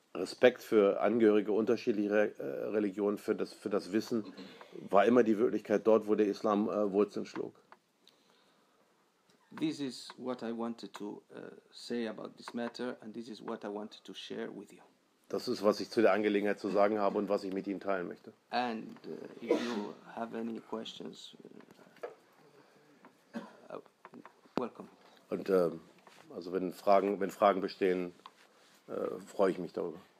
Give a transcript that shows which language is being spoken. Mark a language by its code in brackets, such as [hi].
[de] Respekt für Angehörige unterschiedlicher Religionen, für das Wissen, war immer die Wirklichkeit dort, wo der Islam Wurzeln schlug. [en] This is what I wanted to say about this matter, and this is what I wanted to share with you. [de] Das ist, was ich zu der Angelegenheit zu sagen habe und was ich mit Ihnen teilen möchte. [en] And if you have any questions, welcome. [de] Und also wenn Fragen bestehen, freue ich mich darüber.